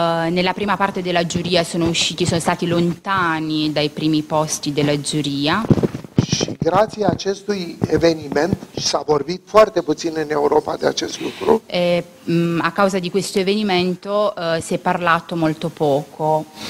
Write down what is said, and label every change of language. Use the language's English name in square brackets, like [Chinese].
[Italian] Nella prima parte della giuria sono stati lontani dai primi posti della giuria. [Romanian] Și grazie a acestui eveniment s-a vorbit foarte puțin în Europa de acest lucru. [Italian] E, a causa di questo evento si è parlato molto poco.